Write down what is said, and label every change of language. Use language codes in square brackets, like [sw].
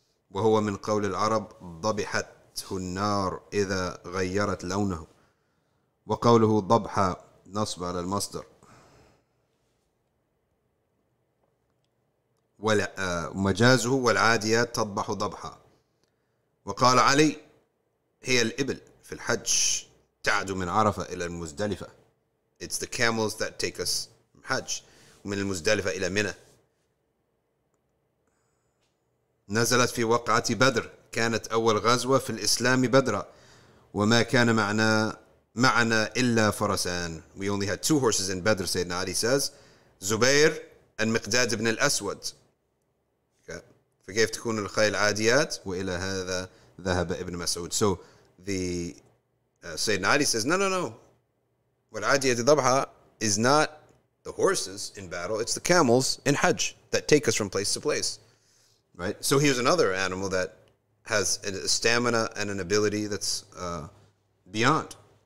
[ar] وهو من قول العرب ضبحته النار إذا غيرت لونه وقوله ضبحة نصب على المصدر ومجازه والعاديات تضبح ضبحة وقال علي هي الإبل في الحج تعد من عرفة إلى المزدلفة. [en] It's the camels that take us from Hajj, [ar] من المزدلفة إلى منى. نزلت في وقعة بدر كانت أول غزوة في الإسلام بدرا وما كان معنا إلا فرسان. [en] We only had two horses in Badr, Sayyidina Ali says, Zubair and Miqdad ibn al-Aswad. [ar] فكيف تكون الخيل عاديات وإلى هذا ذهب ابن مسعود. [en] So the Sayyidina Ali says, no. [ar] والعاديات ضبحة [en] is not the horses in battle, it's the camels in Hajj that take us from place to place. Right, so here's another animal that has a stamina and an ability that's beyond.